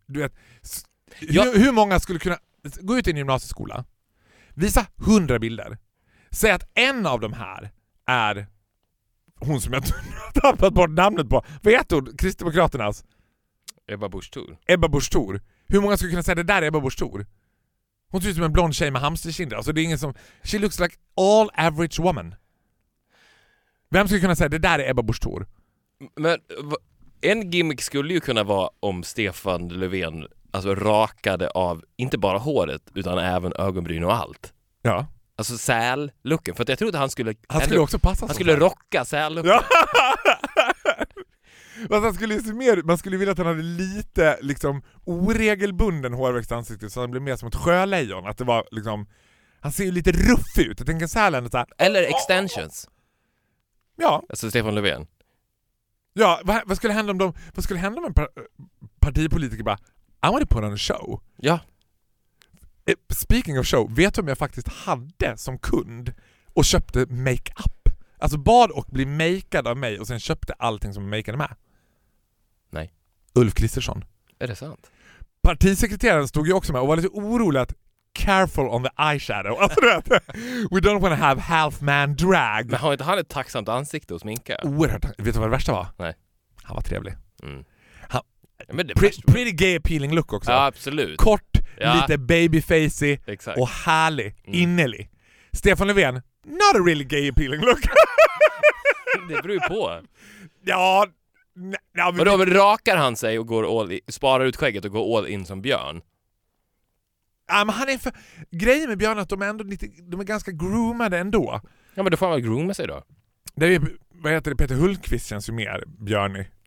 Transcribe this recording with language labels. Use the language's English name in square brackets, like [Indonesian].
[Swedish] Du vet, hur många skulle kunna gå ut i en gymnasieskola, visa 100 bilder, säga att en av de här är hon som jag tappat bort namnet på. Vad heter hon? Kristdemokraternas? Ebba Busch Thor. Ebba Busch Thor. Hur många skulle kunna säga det där är Ebba Busch Thor? Hon ser ut som en blond tjej med hamsterkinder. Alltså det är ingen som... [English] She looks like all average woman. [Swedish] Vem skulle kunna säga det där är Ebba Busch Thor? Men en gimmick skulle ju kunna vara om Stefan Löfven alltså rakade av inte bara håret utan även ögonbryn och allt. Ja. Alltså säl-looken. För att jag trodde han skulle... Han skulle också passa. Han skulle rocka säl-looken. Ja. Men han skulle se mer, man skulle vilja att han hade lite liksom oregelbunden hårväxt ansikte så han blev mer som ett sjölejon. Att det var liksom... Han ser ju lite ruffig ut. Jag tänker säl ändå så här. Eller extensions. Ja. Alltså Stefan Löfven. Ja, vad skulle hända om de... Vad skulle hända om en partipolitiker bara... [English] I want to put on a show. [Swedish] Ja. [English] Speaking of show, [Swedish] vet du om jag faktiskt hade som kund och köpte make-up? Alltså bad och bli makead av mig och sen köpte allting som makeade med? Nej. Ulf Kristersson. Är det sant? Partisekreteraren stod ju också med och var lite orolig att [English] careful on the eyeshadow. Alltså, we don't want to have half man drag. [Swedish] Men har inte han ett tacksamt ansikte och sminka? Oerhört. Vet du vad det värsta var? Nej. Han var trevlig. Mm. [English] Men pretty gay appealing look också. [Swedish] Ja, absolut. Kort, ja. Lite babyfacy och härlig, innerlig. [English] Stefan Löfven, not a really gay appealing look. [Swedish] Det beror ju på. Ja. Men då rakar han sig och går all in, sparar ut skägget och går all in som björn. Ja, men han är för grejen med björn att de är ändå lite, de är ganska groomade ändå. Ja, men då får han väl grooma sig då. Det är, vad heter det, Peter Hultqvist känns ju mer björnig.